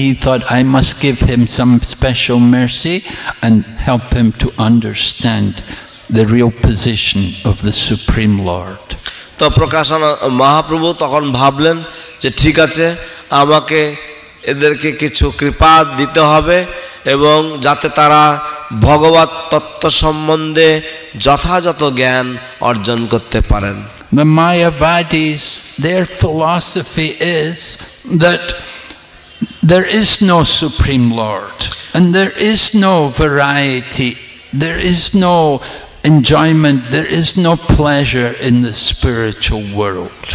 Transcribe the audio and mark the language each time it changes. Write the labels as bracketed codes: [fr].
[en] He thought, I must give him some special mercy and help him to understand the real position of the Supreme Lord. [bn] তো মহাপ্রভু তখন ভাবলেন যে ঠিক আছে আমাকে এদেরকে কিছু কৃপা দিতে হবে এবং যাতে তারা ভগবৎ তত্ত্ব সম্বন্ধে যথাযথ জ্ঞান অর্জন করতে পারেন [en] the Mayavadis, their philosophy is that there is no Supreme Lord, and there is no variety, there is no enjoyment, there is no pleasure in the spiritual world.